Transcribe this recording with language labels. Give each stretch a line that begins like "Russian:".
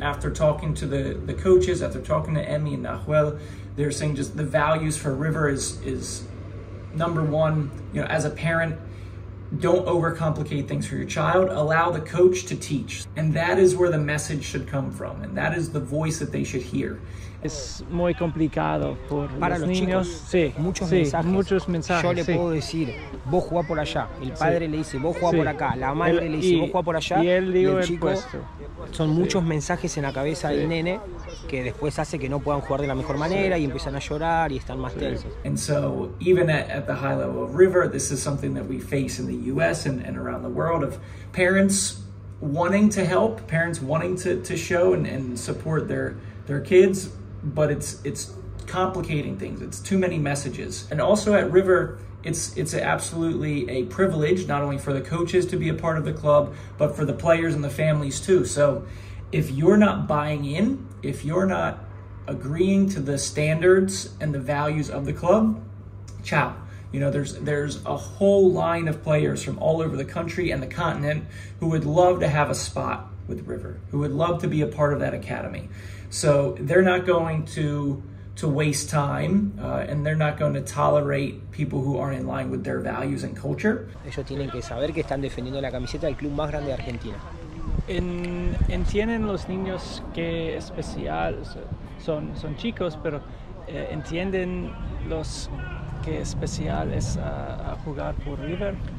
English: After talking to the coaches, after talking to Emmy and Nahuel, they're saying just the values for River is number one, you know, as a parent, don't overcomplicate things for your child. Allow the coach to teach. And that is where the message should come from. And that is the voice that they should hear.
Spanish: Es muy complicado por para los niños. Chicos, sí, muchos mensajes. Yo le puedo decir, vos jugá por allá. El padre le dice, vos jugá por acá. La madre le dice, vos jugá por allá. Y él digo el chico, son muchos mensajes en la cabeza del nene que después hace que no puedan jugar de la mejor manera y empiezan a llorar y están más tensos.
English: And so, even at the high level of River, this is something that we face in the U.S. and around the world, of parents wanting to help, parents wanting to show and support their kids. But it's complicating things. It's too many messages. And also at River, it's absolutely a privilege, not only for the coaches to be a part of the club, but for the players and the families too. So if you're not buying in, if you're not agreeing to the standards and the values of the club, ciao. You know, there's a whole line of players from all over the country and the continent who would love to have a spot with River, who would love to be a part of that academy. So they're not going to waste time, and they're not going to tolerate people who aren't in line with their values and culture.
Spanish: Ellos tienen que saber que están defendiendo la camiseta del club más grande de Argentina. Entienden los niños que especial son chicos, pero entienden los que especial es a jugar por River.